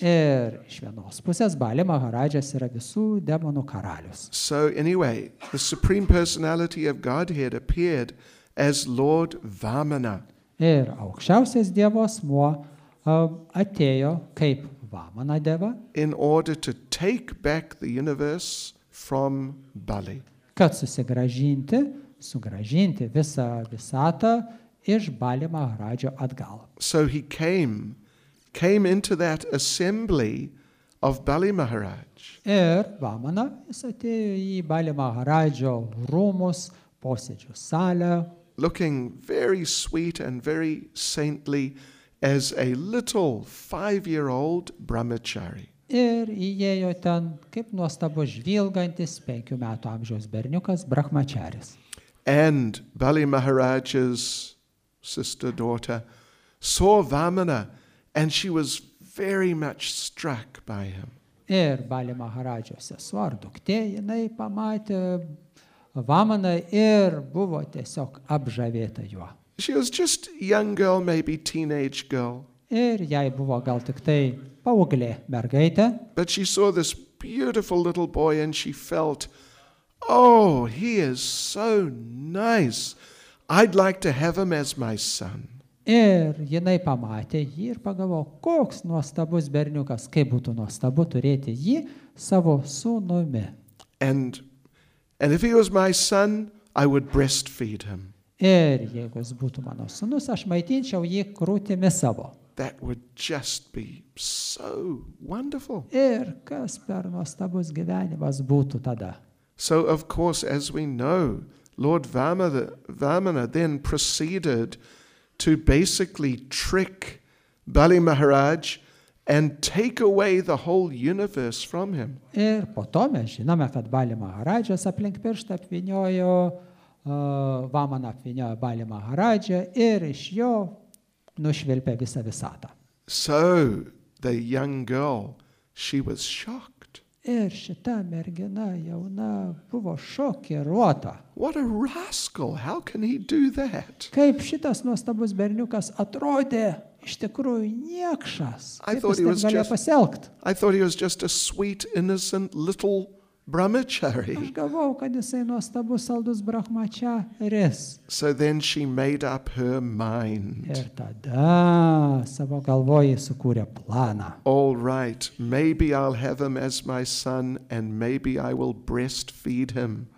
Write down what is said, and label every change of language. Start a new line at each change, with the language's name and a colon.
Lithuanian: Ir iš vienos pusės Bali Maharajas yra visų demonų karalius.
English: So anyway, the supreme personality of Godhead appeared as Lord Vamana.
Lithuanian: Ir aukščiausias Dievo asmuo atėjo kaip Vamana deva.
English: In order to take back the universe from Bali.
Lithuanian: Kad sugrąžinti visą visatą iš Bali Maharadžio atgal.
English: So he came into that assembly of Bali Maharaj.
Lithuanian: Ir Vamana jis atėjo į Bali Maharadžio rūmus, posėdžių salę,
English: looking very sweet and very saintly as a little 5-year-old brahmachari.
Lithuanian: Ir įėjo ten kaip nuostabus žvilgantis 5 metų amžiaus berniukas brahmacharis.
English: And Bali Maharaj's sister daughter saw Vamana and she was very much struck by him.
Lithuanian: Ir Bali Maharaj'o sesuo ar duktė jinai pamatė Vamana ir buvo tiesiog apžavėta juo.
English: She was just young girl, maybe teenage girl.
Lithuanian: Ir jai buvo gal tik tai paauglė mergaitė.
English: But she saw this beautiful little boy and she felt, oh, he is so nice. I'd like to have him as my son.
Lithuanian: Ir jinai pamatė jį ir pagalvojo, koks nuostabus berniukas, kaip būtų nuostabu turėti jį savo sūnumi.
English: And if he was my son, I would breastfeed him.
Lithuanian: Ir jeigu jis būtų mano sūnus, aš maitinčiau jį krūtimi savo.
English: That would just be so wonderful.
Lithuanian: Ir kas per nuostabus gyvenimas būtų tada.
English: So of course, as we know, Lord Vamana then proceeded to basically trick Bali Maharaj and take away the whole universe from him.
Lithuanian: Ir po to mes žinome, kad Bali Maharadžas aplink pirštą apvyniojo Vamana apvyniojo Bali Maharadžą ir iš jo nušvilpė visą visatą.
English: So the young girl, she was shocked.
Lithuanian: Ir šita mergina jauna buvo šokiruota.
English: What a rascal, how can he do that?
Lithuanian: Kaip šitas nuostabus berniukas atrodė? Iš tikrųjų niekšas.
English: I thought he was just a sweet, innocent little brahmachari.
Lithuanian: Aš galvojau, kad jisai nuostabus, saldus brahmacharis.
English: So then she made up her mind.
Lithuanian: Ir tada savo galvoje sukūrė planą.
English: All right, maybe I'll have him as my son and maybe I will breastfeed him.